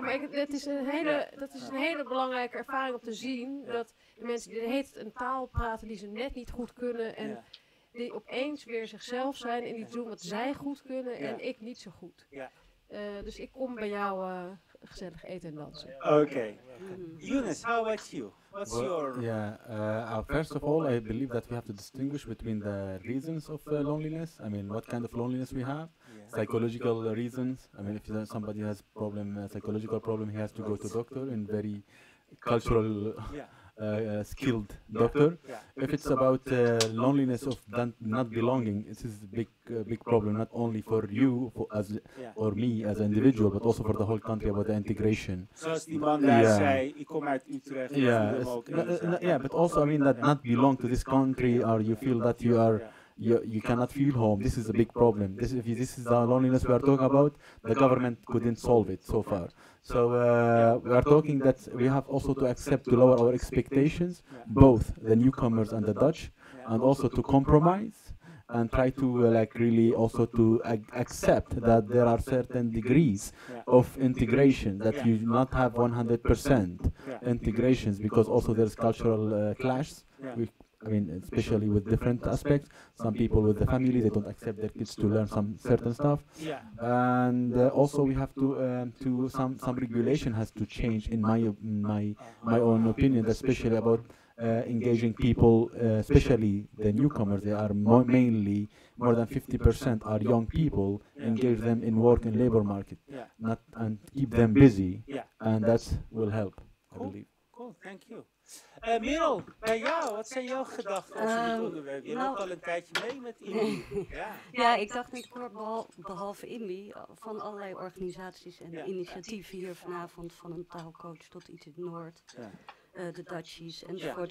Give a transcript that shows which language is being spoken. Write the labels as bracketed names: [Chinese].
[Dutch] Dat is een hele belangrijke ervaring om te zien. Dat de mensen die de hele tijd een taal praten die ze net niet goed kunnen. En die opeens weer zichzelf zijn en iets doen wat zij goed kunnen en ik niet zo goed. Ja. Dus ik kom bij jou gezellig eten en dansen. [English] Oké. Younes, how about you? What's your First of all, I believe that we have to distinguish between the reasons of loneliness. I mean, what kind of loneliness we have. Yeah. Psychological reasons. I mean, if somebody has problem, a psychological problem, he has to go to doctor in very cultural, skilled doctor. Yeah. If it's about loneliness of not belonging, this is a big problem, not only for you for as or me as an individual, but also for the whole country about the integration. [Dutch] Zoals die man daar zei, ik kom uit Utrecht. [English] But also I mean that not belong to this country, or you feel that you are you cannot feel home. This is a big problem. This is the loneliness we are talking about. The government couldn't solve it so far. So we are talking that we have also to accept to lower our expectations, both the newcomers and the Dutch, and also to compromise and try to really also to accept that there are certain degrees of integration that you do not have 100% integrations, because also there's cultural clashes. I mean, especially with different aspects. Some people with the family, they don't accept their kids to learn some certain stuff. Yeah. And also we have to some regulation has to change in my own opinion, especially about engaging people, especially the newcomers. They are mainly more than 50% are young people. Engage them in work and labor market, not and keep them busy. Yeah. And that will help, I believe. Cool. Thank you. [Dutch] Merel, bij jou, wat zijn jouw gedachten over dit onderwerp? Je loopt al een tijdje mee met IMBY. Ik dacht niet kort, behalve IMBY, van allerlei organisaties en initiatieven hier vanavond, van een taalcoach tot iets in het Noord, de Dutchies enzovoort.